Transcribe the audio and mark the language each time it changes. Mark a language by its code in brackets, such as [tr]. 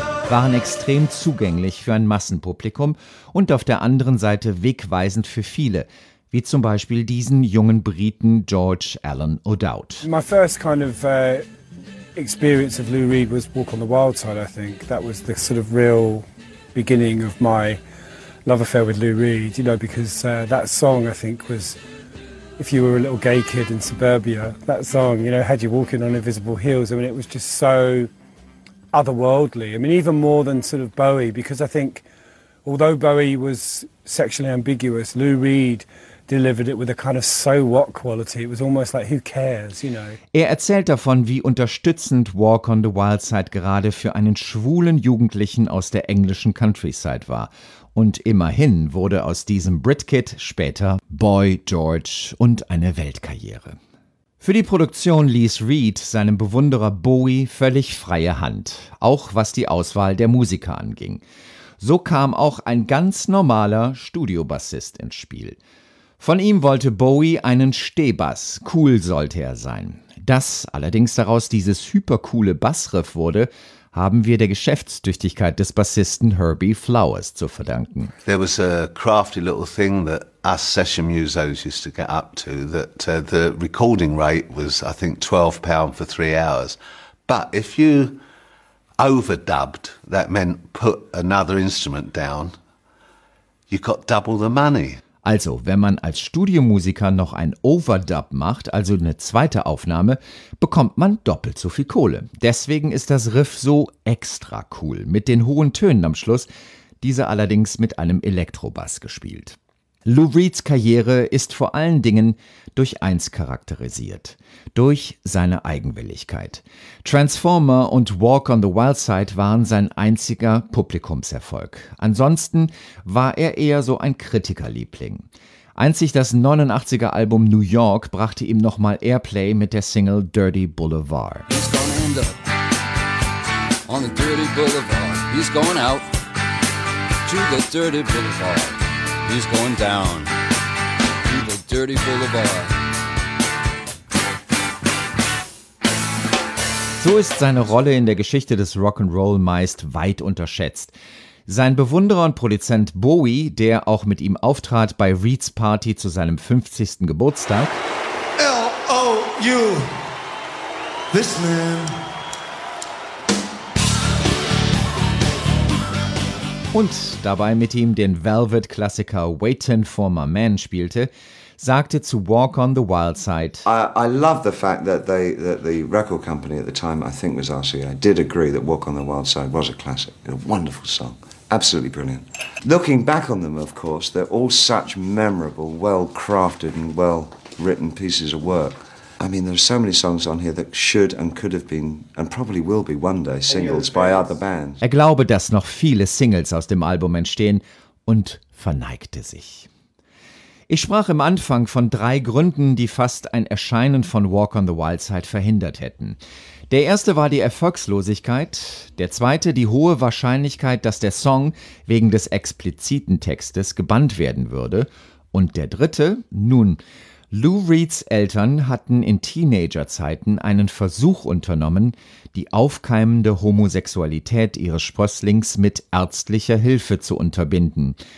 [de] Waren extrem zugänglich für ein Massenpublikum und auf der anderen Seite wegweisend für viele, wie zum Beispiel diesen jungen Briten George Alan O'Dowd. [en] My first kind of experience of Lou Reed was Walk on the Wild Side, I think. That was the sort of real beginning of my love affair with Lou Reed, you know, because that song, I think, was, if you were a little gay kid in suburbia, that song, you know, had you walking on invisible heels. I mean, it was just so otherworldly. I mean, even more than sort of Bowie, because I think although Bowie was sexually ambiguous, Lou Reed delivered it with a kind of so what quality. It was almost like, who cares, you know. [de] Er erzählt davon, wie unterstützend Walk on the Wild Side gerade für einen schwulen Jugendlichen aus der englischen Countryside war. Und immerhin wurde aus diesem Brit-Kid später Boy George und eine Weltkarriere. Für die Produktion ließ Reed seinem Bewunderer Bowie völlig freie Hand, auch was die Auswahl der Musiker anging. So kam auch ein ganz normaler Studiobassist ins Spiel. Von ihm wollte Bowie einen Stehbass, cool sollte er sein. Dass allerdings daraus dieses hypercoole Bassriff wurde, haben wir der Geschäftstüchtigkeit des Bassisten Herbie Flowers zu verdanken. [en] There was a crafty little thing that us session musos used to get up to, that the recording rate was, I think, £12 for 3 hours. But if you overdubbed, that meant put another instrument down, you got double the money. [de] Also, wenn man als Studiomusiker noch ein Overdub macht, also eine zweite Aufnahme, bekommt man doppelt so viel Kohle. Deswegen ist das Riff so extra cool, mit den hohen Tönen am Schluss, diese allerdings mit einem Elektrobass gespielt. Lou Reeds Karriere ist vor allen Dingen durch eins charakterisiert, durch seine Eigenwilligkeit. Transformer und Walk on the Wild Side waren sein einziger Publikumserfolg. Ansonsten war er eher so ein Kritikerliebling. Einzig das 89er Album New York brachte ihm nochmal Airplay mit der Single Dirty Boulevard. [en] He's gonna end up on the dirty boulevard. He's going out to the dirty boulevard. He's going down to the dirty boulevard. [de] So ist seine Rolle in der Geschichte des Rock'n'Roll meist weit unterschätzt. Sein Bewunderer und Produzent Bowie, der auch mit ihm auftrat bei Reeds Party zu seinem 50. Geburtstag. [en] L-O-U, this man. [de] Und dabei mit ihm den Velvet-Klassiker Waitin' for My Man spielte, sagte zu Walk on the Wild Side: [en] I love the fact that the record company at the time, I think was RCA, did agree that Walk on the Wild Side was a classic, a wonderful song. Absolutely brilliant. Looking back on them, of course, they're all such memorable, well-crafted and well-written pieces of work. I mean, there are so many songs on here that should and could have been and probably will be one day singles by other bands. [de] Er glaube, dass noch viele Singles aus dem Album entstehen, und verneigte sich. Ich sprach im Anfang von drei Gründen, die fast ein Erscheinen von Walk on the Wild Side verhindert hätten. Der erste war die Erfolgslosigkeit, der zweite die hohe Wahrscheinlichkeit, dass der Song wegen des expliziten Textes gebannt werden würde, und der dritte, nun, Lou Reeds Eltern hatten in Teenagerzeiten einen Versuch unternommen, die aufkeimende Homosexualität ihres Sprösslings mit ärztlicher Hilfe zu unterbinden.